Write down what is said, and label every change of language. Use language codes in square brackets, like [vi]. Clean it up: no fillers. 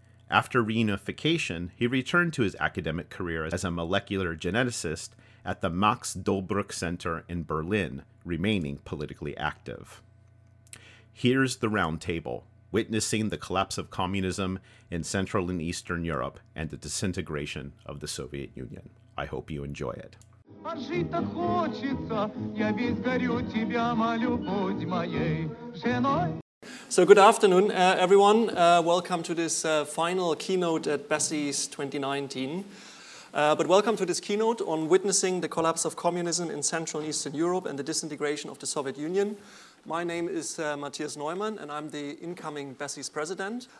[en] After reunification, he returned to his academic career as a molecular geneticist at the Max Dolbruch Center in Berlin, remaining politically active. Here's the roundtable, witnessing the collapse of communism in Central and Eastern Europe and the disintegration of the Soviet Union. I hope you enjoy it. [ru] А жить-то хочется, я весь горю тебя, молю, будь моей женой. [en] So good afternoon, everyone. Welcome to this final keynote at BASIS 2019. But welcome to this keynote on witnessing the collapse of communism in Central and Eastern Europe and the disintegration of the Soviet Union. My name is Matthias Neumann, and I'm the incoming BASIS president.